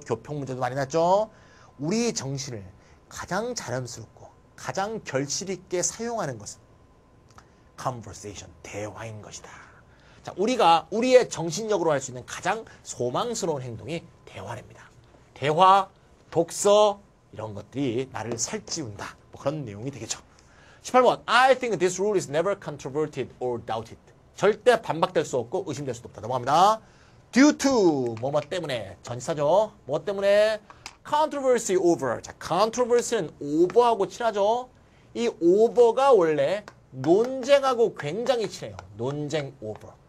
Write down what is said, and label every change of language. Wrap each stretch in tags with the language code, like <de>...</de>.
<ko>교평 문제도 많이 났죠. 우리 정신을 가장 자연스럽고 가장 결실 있게 사용하는 것은 conversation, 대화인 것이다. 자, 우리가 우리의 정신력으로 할 수 있는 가장 소망스러운 행동이 대화랍니다. 대화, 독서, 이런 것들이 나를 살찌운다. 뭐 그런 내용이 되겠죠. 18번.</ko> <en>I think this rule is never controverted or doubted.</en> <ko>절대 반박될 수 없고 의심될 수도 없다. 넘어갑니다. Due to, 뭐뭐 때문에, 전치사죠. 뭐 때문에?</ko> <en>Controversy over.</en> <ko>자, controversy는 over하고 친하죠. 이 over가 원래 논쟁하고 굉장히 친해요. 논쟁 over.</ko>